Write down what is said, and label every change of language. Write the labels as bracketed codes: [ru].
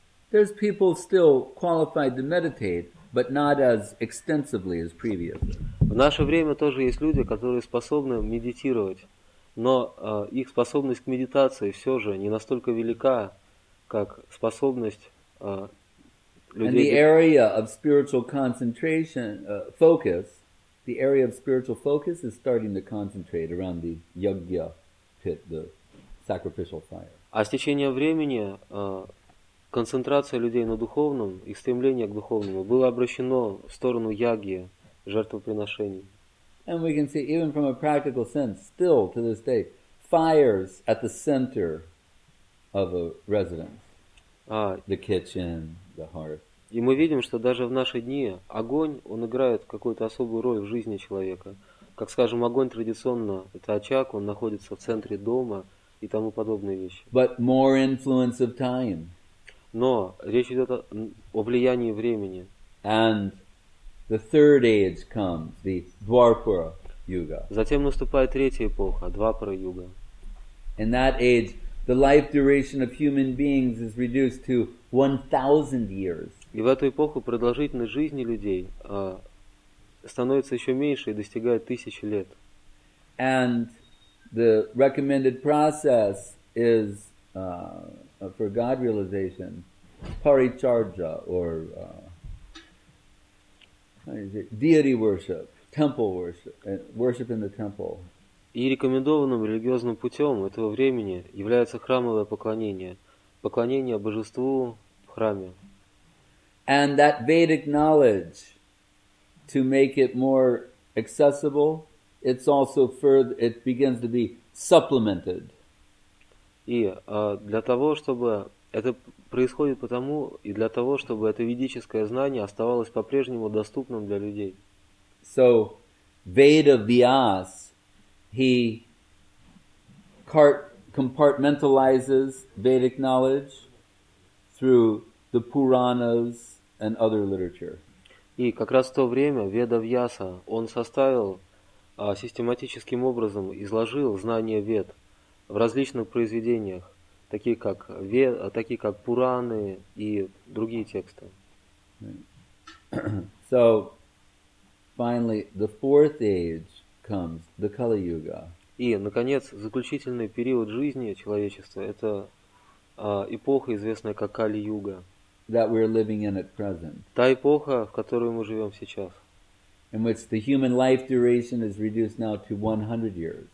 [en] There's people still qualified to meditate, but not as extensively as previously. [ru] В наше время тоже есть люди, которые способны медитировать, но их способность к медитации все же не настолько велика, как способность людей. [en] And the area of spiritual concentration, focus, the area of spiritual focus is starting to concentrate around the yajna pit, the sacrificial fire. [ru] А с течением времени концентрация людей на духовном и стремление к духовному было обращено в сторону яги, жертвоприношений. [en] And we can see, even from a practical sense, still to this day, fires at the center of a residence, the kitchen, the hearth. [ru] И мы видим, что даже в наши дни огонь, он играет какую-то особую роль в жизни человека. Как, скажем, огонь традиционно, это очаг, он находится в центре дома и тому подобные вещи. [en] But more influence of time. [ru] Но речь идет о влиянии времени. [en] And the third age comes, the Dwapara Yuga. [ru] Затем наступает третья эпоха, Двапара Юга. [en] In that age, the life duration of human beings is reduced to 1,000 years. [ru] И в эту эпоху продолжительность жизни людей становится еще меньше и достигает 1000 лет. [en] And the recommended process is for God realization, Paricharja, or deity worship, temple worship, worship in the temple. [ru] И рекомендованным религиозным путем этого времени является храмовое поклонение, поклонение божеству в храме. [en] And that Vedic knowledge, to make it more accessible, it's also further, it begins to be supplemented. [ru] И для того, чтобы это происходит потому, и для того, чтобы это ведическое знание оставалось по-прежнему доступным для людей. [en] So, Veda Vyas, he compartmentalizes Vedic knowledge through the Puranas and other literature. [ru] И как раз в то время Веда Вьяса, он составил систематическим образом, изложил знания Вед в различных произведениях, такие как Пураны и другие тексты. [en] So, finally, the fourth age comes, the Kali Yuga. [ru] И, наконец, заключительный период жизни человечества — это эпоха, известная как Кали Юга. [en] That we're living in at present. [ru] Та эпоха, в которой мы живем сейчас. [en] In which the human life duration is reduced now to 100 years.